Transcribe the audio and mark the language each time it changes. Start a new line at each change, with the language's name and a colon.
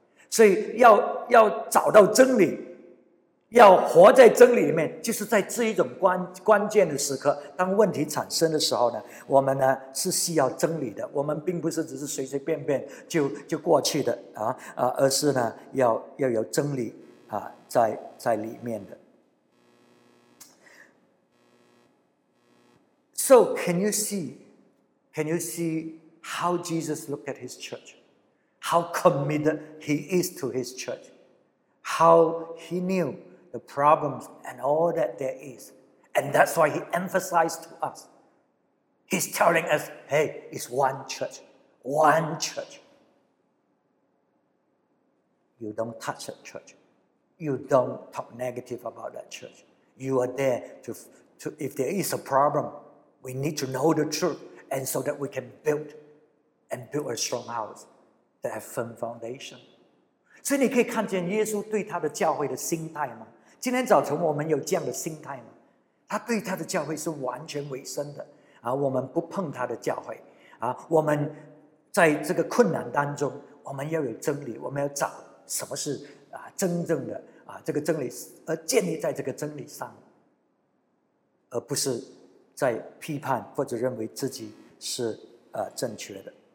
Chinese: 所以要找到真理，要活在真理里面，就是在这一种关键的时刻，当问题产生的时候呢，我们呢是需要真理的。我们并不是只是随随便便就过去的而是呢要有真理在里面的。
English: So can you see how Jesus looked at his church? How committed he is to his church. How he knew the problems and all that there is. And that's why he emphasized to us. He's telling us, hey, it's one church. One church. You don't touch that church. You don't talk negative about that church. You are there to if there is a problem, we need to know the truth. And so that we can build a strong house. That have firm foundation.
Chinese: 所以你可以看见耶稣对他的教会的心态吗？今天早晨我们有这样的心态吗？他对他的教会是完全委身的我们不碰他的教会我们在这个困难当中，我们要有真理，我们要找什么是真正的这个真理，而建立在这个真理上，而不是在批判或者认为自己是正确的。